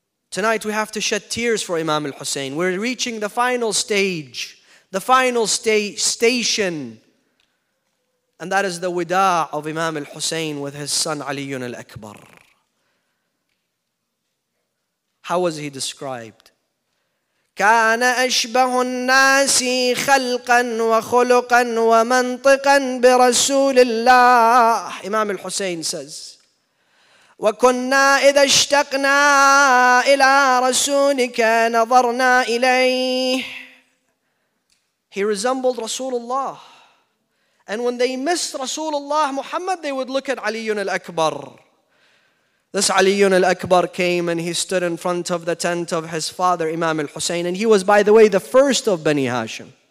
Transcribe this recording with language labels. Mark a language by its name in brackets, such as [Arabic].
[English] Tonight we have to shed tears for Imam al-Hussein. We're reaching the final stage, the final station. And that is the wida' of Imam al-Hussein with his son Ali ibn al-Akbar. How was he described? [Arabic] كان أشبه الناس خلقا وخلقا ومنطقا برسول الله. [English] Imam al-Hussein says, [Arabic] وكنا إذا اشتقنا إلى رسولك نظرنا إليه. [English] He resembled Rasulullah. And when they missed Rasulullah Muhammad, they would look at Ali ibn al-Akbar. This Ali ibn al-Akbar came and he stood in front of the tent of his father, Imam al-Hussein. And he was, by the way, the first of Bani Hashim.